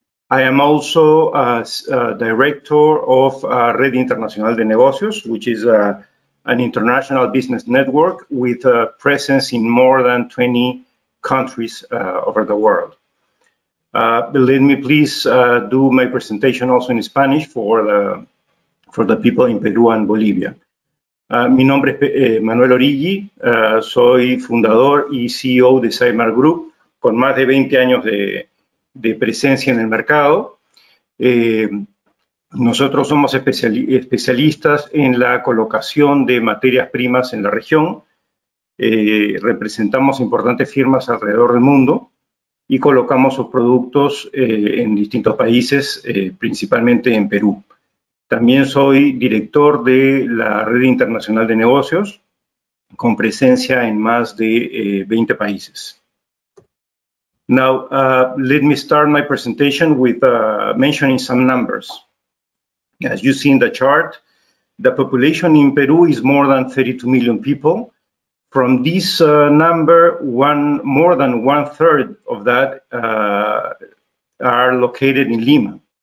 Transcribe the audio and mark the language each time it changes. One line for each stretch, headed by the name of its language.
English: I am also a director of Red Internacional de Negocios, which is an international business network with a presence in more than 20 countries over the world. Let me please do my presentation also in Spanish for the people in Peru and Bolivia.
Spanish: Mi nombre es Manuel Origi, soy fundador y CEO de Cymer Group, con más de 20 años de presencia en el mercado. Nosotros somos especialistas en la colocación de materias primas en la región. Representamos importantes firmas alrededor del mundo y colocamos sus productos en distintos países, principalmente en Perú. También soy director de la Red Internacional de Negocios, con presencia en más de 20 países.
English: Now, let me start my presentation with mentioning some numbers. As you see in the chart, the population in Peru is more than 32 million people. From this number, more than one third of that are located in Lima.